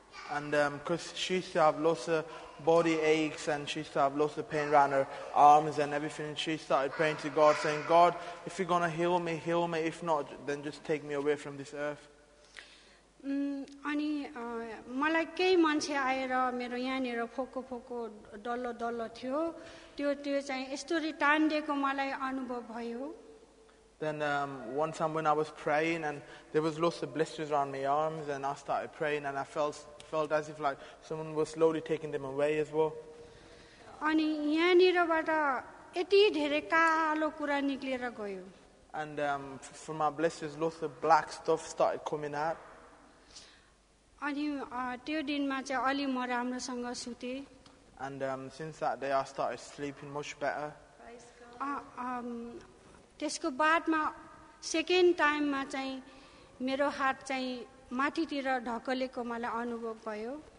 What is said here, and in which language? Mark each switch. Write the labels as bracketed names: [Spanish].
[English] And because she used to have lots of body aches and she used to have lots of pain around her arms and everything and she started praying to God saying God if you're going to heal me if not then just take me away from this earth [Nepali] अनि मलाई केही मान्छे आएर मेरो यहाँनिर फोको डल्लो थियो त्यो चाहिँ यस्तो टान्दिएको मलाई अनुभव भयो [English] Then once when I was praying and there was lots of blisters around my arms and I started praying and I felt as if like someone was slowly taking them away as well [Nepali] अनि यहाँनिरबाट यति धेरै कालो कुरा निक्लेर गयो [English] And from my blisters lots of black stuff started coming out [Nepali] अनि त्यो दिनमा चाहिँ अलि म राम्रोसँग सुते [English] And since that day I started sleeping much better [Nepali] त्यसको बादमा सेकेन्ड टाइममा चाहिँ मेरो हात चाहिँ माथितिर ढकलेको मलाई अनुभव भयो